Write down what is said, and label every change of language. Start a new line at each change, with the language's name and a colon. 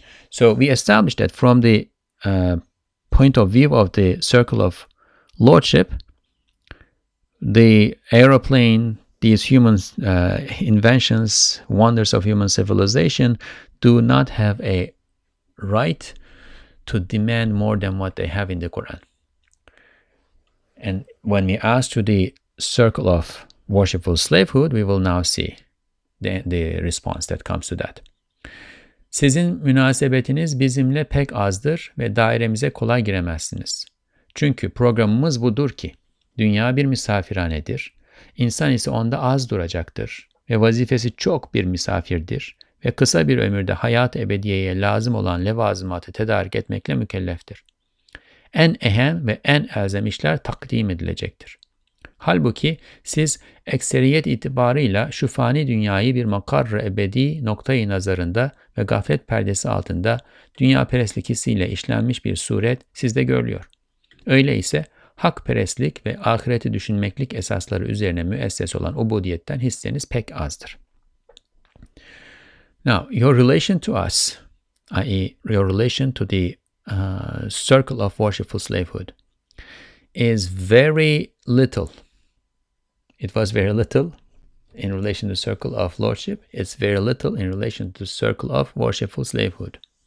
English: So we established that from the point of view of the circle of lordship, the aeroplane, these human inventions, wonders of human civilization, do not have a right to demand more than what they have in the Quran. And when we ask to the circle of worshipful slavehood, we will now see the response that comes to that.
Turkish: Sizin münasebetiniz bizimle pek azdır ve dairemize kolay giremezsiniz. Çünkü programımız budur ki, dünya bir misafirhanedir. İnsan ise onda az duracaktır ve vazifesi çok bir misafirdir ve kısa bir ömürde hayat-ı ebediyeye lazım olan levazımatı tedarik etmekle mükelleftir. En ehem ve en elzem işler takdim edilecektir. Halbuki siz ekseriyet itibarıyla şu fani dünyayı bir makarr-ı ebedi noktayı nazarında ve gaflet perdesi altında dünya perestlik hissiyle işlenmiş bir suret sizde görülüyor. Öyleyse hak perestlik ve ahireti düşünmeklik esasları üzerine müesses olan ubudiyetten hisseniz pek azdır.
English: Now, your relation to us, i.e. your relation to the circle of worshipful slavehood, is very little. It was very little in relation to circle of lordship. It's very little in relation to circle of worshipful slavehood.